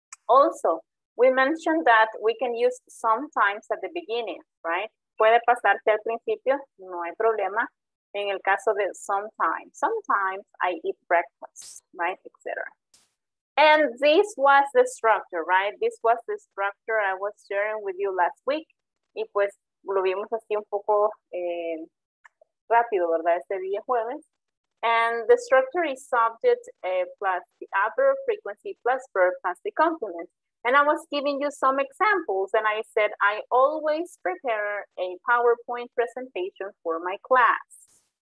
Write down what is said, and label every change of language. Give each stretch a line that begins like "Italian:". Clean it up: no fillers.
English: Also, we mentioned that we can use sometimes at the beginning, right?
Spanish: Puede pasarte al principio, no hay problema. En el caso de sometimes,
English: sometimes I eat breakfast, right,
Spanish: etc.
English: And this was the structure, right? This was the structure I was sharing with you last week. It was
Spanish: lo vimos así un poco rápido, ¿verdad? Este día jueves.
English: And the structure is subject plus the adverb frequency plus verb plus the complement. And I was giving you some examples, and I said, I always prepare a PowerPoint presentation for my class.